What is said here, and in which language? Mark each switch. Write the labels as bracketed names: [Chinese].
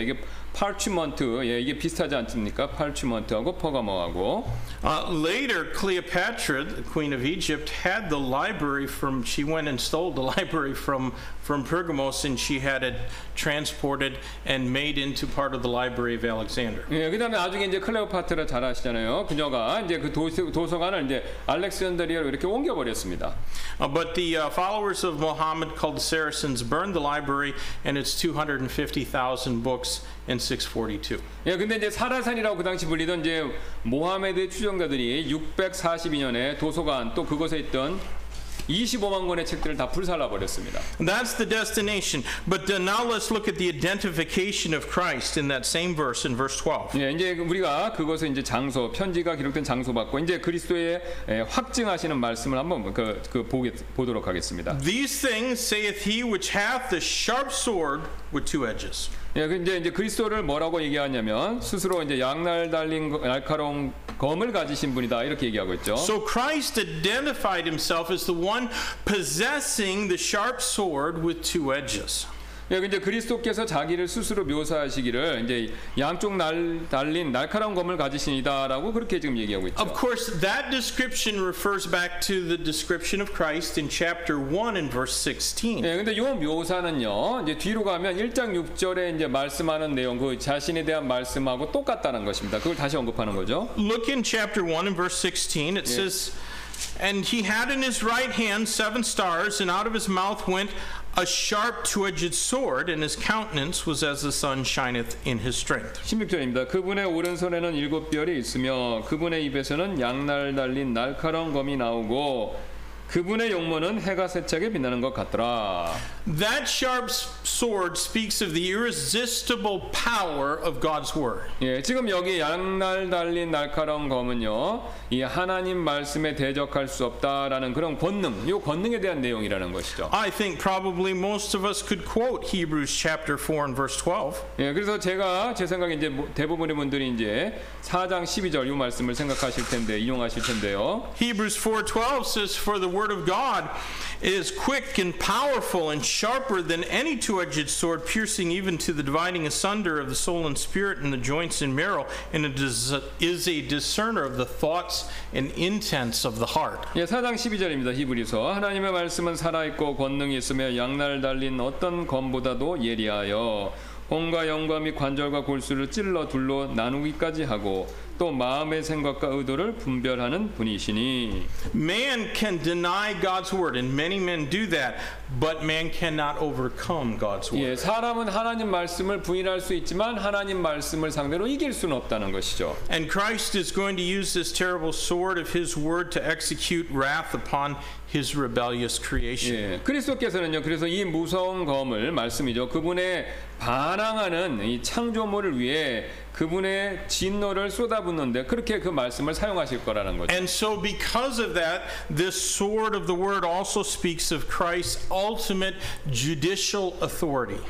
[Korean] 이게 parchment, 예, 이게 비슷하지 않습니까? parchment하고 버가모하고. [English] Later, Cleopatra, the queen of Egypt, had the library from. She went and stole the library from Pergamos, and she had it transported and made into part of the library of Alexander. [Korean] 예, 그다음에 나중에 이제 클레오파트라 잘 아시잖아요. 그녀가 이제 그 도서관을 이제 알렉산드리아로 이렇게 옮겨 버렸습니다. [English] But the followers of Muhammad called the Saracens burned the library and its 250,000 books in 642. [Korean] 예, 근데 이제 사라산이라고 그 당시 불리던 이제 모하메드의 추종자들이 642년에 도서관 또 그곳에 있던 25만 권의 책들을 다 불살라 버렸습니다. [English] That's the destination. But now let's look at the identification of Christ in that same verse in verse 12. [Korean] 예, 이제 우리가 그것에 이제 장소, 편지가 기록된 장소 받고 이제 그리스도의 예, 확증하시는 말씀을 한번 보도록 하겠습니다. [English] These things saith he which hath the sharp sword with two edges. [Korean] 예, 근데 이제 그리스도를 뭐라고 얘기하냐면 스스로 이제 양날 달린 날카로운 검을 가지신 분이다 이렇게 얘기하고 있죠. [English] So Christ identified himself as the one possessing the sharp sword with two edges. [Korean] 예, 이제 그리스도께서 자기를 스스로 묘사하시기를 이제 양쪽 달린 날카로운 검을 가지신이다라고 그렇게 지금 얘기하고 있죠. [English] Of course, that description refers back to the description of Christ in chapter 1 and verse 16. [Korean] 예, 근데 이 묘사는요, 이제 뒤로 가면 1장 6절에 이제 말씀하는 내용, 그 자신에 대한 말씀하고 똑같다는 것입니다. 그걸 다시 언급하는 거죠. [English] Look in chapter 1 and verse 16. It says, "And he had in his right hand seven stars, and out of his mouth went a sharp two-edged sword, and his countenance was as the sun shineth in his strength." [Korean] 16절입니다. 그분의 오른손에는 일곱 별이 있으며 그분의 입에서는 양날 달린 날카로운 검이 나오고 그분의 용모는 해가 세차게 빛나는 것 같더라. [English] That sharp sword speaks of the irresistible power of God's word. [Korean] 예, 지금 여기 양날 달린 날카로운 검은요, 이 하나님 말씀에 대적할 수 없다라는 그런 권능, 요 권능에 대한 내용이라는 것이죠. [English] I think probably most of us could quote Hebrews chapter 4 and verse 12. [Korean] 예, 그래서 제가 제 생각에 이제 대부분의 분들이 이제 4장 12절 요 말씀을 생각하실 텐데 인용하실 텐데요. [English] Hebrews 4:12 says, "For the word of God is quick and powerful and sharper than any two-edged sword, piercing even to the dividing asunder of the soul and spirit and the joints and marrow, and it is a discerner of the thoughts and intents of the heart." [Korean] 예, 4장 12절입니다. 히브리서. 하나님의 말씀은 살아 있고 권능이 있으며 양날 달린 어떤 검보다도 예리하여 혼과 영과 및 관절과 골수를 찔러 둘로 나누기까지 하고 또 마음의 생각과 의도를 분별하는 분이시니. [English] Man can deny God's word, and many men do that, but man cannot overcome God's word. [Korean] 예, 사람은 하나님 말씀을 부인할 수 있지만 하나님 말씀을 상대로 이길 수는 없다는 것이죠. [English] And Christ is going to use this terrible sword of His word to execute wrath upon His rebellious creation. [Korean] 예, 그리스도께서는요, 그래서 이 무서운 검을 말씀이죠. 그분의 반항하는 이 창조물을 위해 그분의 진노를 쏟아붓는데 그렇게 그 말씀을 사용하실 거라는 거죠. [English] And so because of that, this sword of the word also speaks of Christ's ultimate judicial authority.